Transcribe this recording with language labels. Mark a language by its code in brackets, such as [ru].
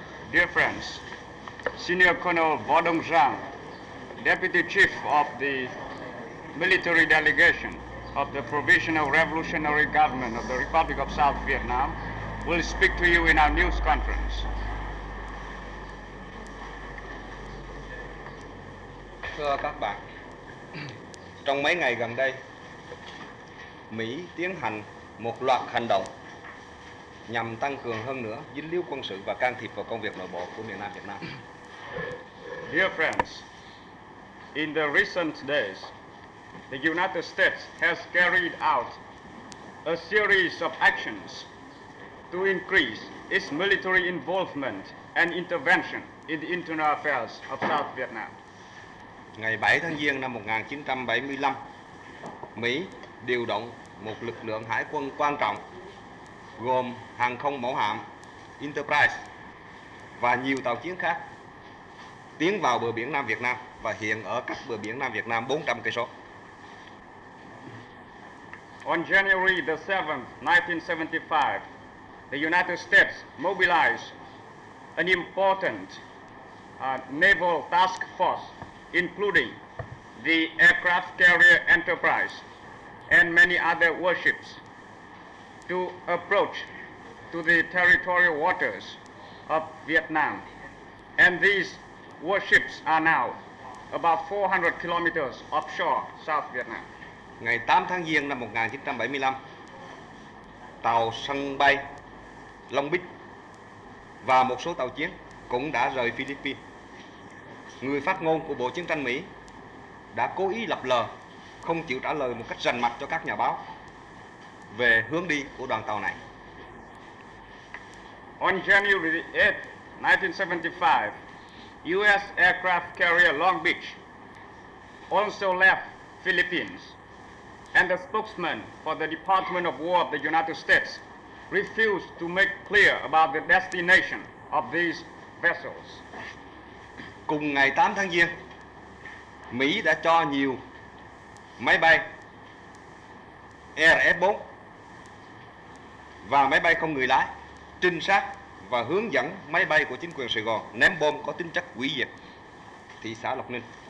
[en] Dear friends, Senior Colonel Bo Dong-sang, Deputy Chief of the Military Delegation of the Provisional Revolutionary Government of the Republic of South Vietnam, will speak to you in our news conference. [vi] Thưa các bạn, trong mấy ngày gần đây, Mỹ tiến hành một loạt hành động nhằm tăng cường hơn nữa dính líu quân sự và can thiệp vào công việc nội bộ của miền Nam Việt Nam. [en] Dear friends, in the recent days, the United States has carried out a series of actions to increase its military involvement and intervention in the internal affairs of South Vietnam. [vi] Ngày 7 tháng Giêng năm 1975, Mỹ điều động một lực lượng hải quân quan trọng gồm hàng không mẫu hạm Enterprise và nhiều tàu chiến khác tiến vào bờ biển Nam Việt Nam và hiện ở cách bờ biển Nam Việt Nam 400 cây số. [en] On January the 7th, 1975, the United States mobilized an important naval task force including the aircraft carrier Enterprise and many other warships to approach to the territorial waters of Vietnam. And these warships are now about 400 kilometers offshore South Vietnam. [vi] Ngày 8 tháng Giêng năm 1975, tàu sân bay Long Beach và một số tàu chiến cũng đã rời Philippines. Người phát ngôn của Bộ Chiến tranh Mỹ đã cố ý lập lờ, không chịu trả lời một cách rành mạch cho các nhà báo về hướng đi của đoàn tàu này. [en] On January 8, 1975, US aircraft carrier Long Beach also left Philippines, and the spokesman for the Department of War of the United States refused to make clear about the destination of these vessels. [vi] Cùng ngày 8 tháng Giêng, Mỹ đã cho nhiều máy bay RF-4 và máy bay không người lái trinh sát và hướng dẫn máy bay của chính quyền Sài Gòn ném bom có tính chất hủy diệt thị xã Lộc Ninh.